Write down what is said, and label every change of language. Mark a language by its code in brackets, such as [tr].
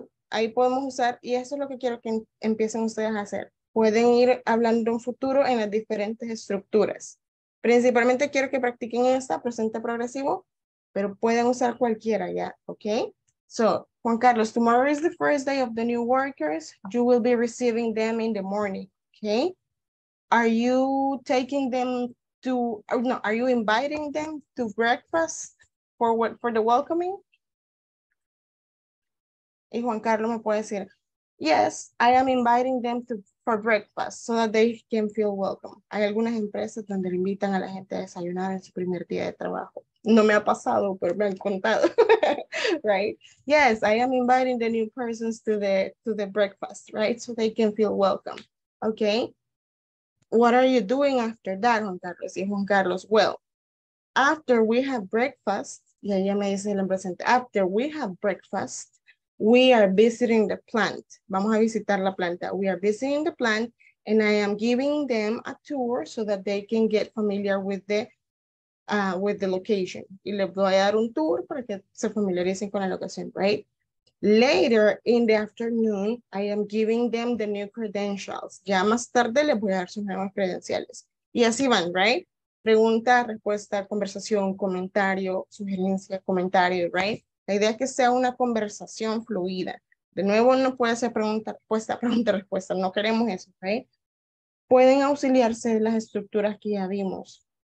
[es] Ahí podemos usar, y eso es lo que quiero que empiecen ustedes a hacer. Pueden ir hablando de un futuro en las diferentes estructuras. Principalmente quiero que practiquen esta, presente progresivo, pero pueden usar cualquiera ya, ¿ok? [en] So, Juan Carlos, tomorrow is the first day of the new workers. You will be receiving them in the morning, ¿ok? Are you taking them to, no, are you inviting them to breakfast for the welcoming? [es] Y Juan Carlos me puede decir, [en] yes, I am inviting them for breakfast so that they can feel welcome. [es] Hay algunas empresas donde invitan a la gente a desayunar en su primer día de trabajo. No me ha pasado, pero me han contado, right? [en] Yes, I am inviting the new persons to the breakfast, right? So they can feel welcome, okay? What are you doing after that, Juan Carlos? Y Juan Carlos, well, after we have breakfast, [es] y ella me dice el presente, [en] after we have breakfast, we are visiting the plant. [es] Vamos a visitar la planta. [en] We are visiting the plant and I am giving them a tour so that they can get familiar with the location. [es] Y les voy a dar un tour para que se familiaricen con la locación, right? [en] Later in the afternoon, I am giving them the new credentials. [es] Ya más tarde les voy a dar sus nuevas credenciales. Y así van, right? Pregunta, respuesta, conversación, comentario, sugerencia, comentario, right? La idea es que sea una conversación fluida. De nuevo, no puede ser pregunta, respuesta. No queremos eso, ¿ok? Pueden auxiliarse de las estructuras que ya vimos.